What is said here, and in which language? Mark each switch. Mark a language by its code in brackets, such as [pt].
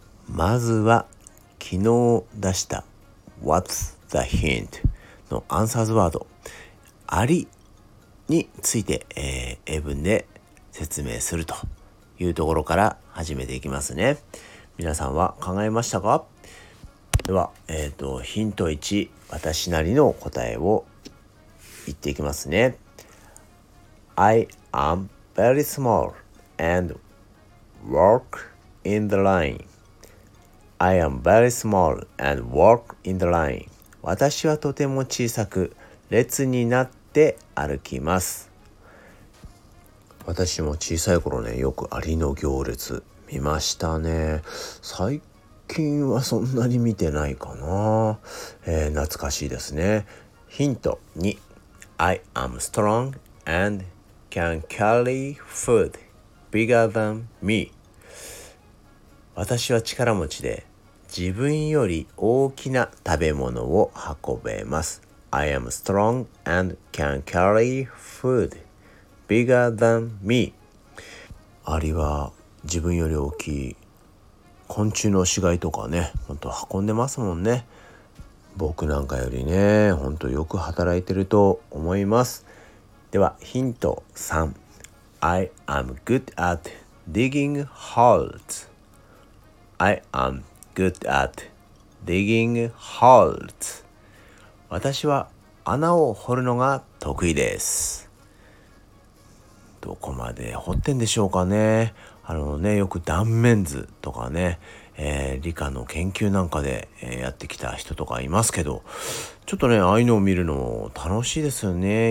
[ja] まずは昨日出した [en] What's the hint [ja] のアンサーズワード、ありについて、英文で説明するというところから始めていきますね。皆さんは考えましたか？では、ヒント1、私なりの答えを言っていきますね。 [en] I am very small and work in the line. I am very small and work in the line. [ja] 私はとても小さく、列になって歩きます。私も小さい頃ね、よくアリの行列見ましたね。最近はそんなに見てないかな。懐かしいですね。ヒント2。 [en] I am strong and can carry food bigger than me. [ja] 私は力持ちで、自分より大きな食べ物を運べます。 [en] I am strong and can carry food. Bigger than me. [ja] アリは自分より大きい昆虫の死骸とかね、ほんと運んでますもんね。僕なんかよりね、ほんとよく働いてると思います。ではヒント3。 [en] I am good at digging holes. I am good at digging holes. [ja] 私は穴を掘るのが得意です。どこまで掘ってんでしょうかね。よく断面図とかね、理科の研究なんかで、やってきた人とかいますけど、ちょっとね、ああいうのを見るのも楽しいですよね。